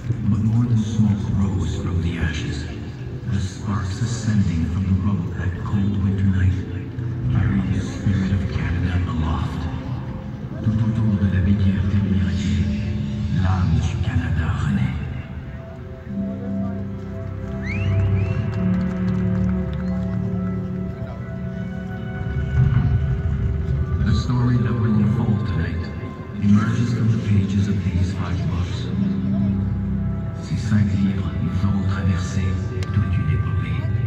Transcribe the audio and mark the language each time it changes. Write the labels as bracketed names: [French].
[English] But more than smoke rose from the ashes, the sparks ascending from the rubble that cold winter night carried the spirit of Canada aloft. [French] Tout autour de la rivière des Mirages, l'âme du Canada renaît. [English] The story that will unfold tonight emerges from the pages of these five books. [French] Ces cinq livres nous ont traversé toute une épopée.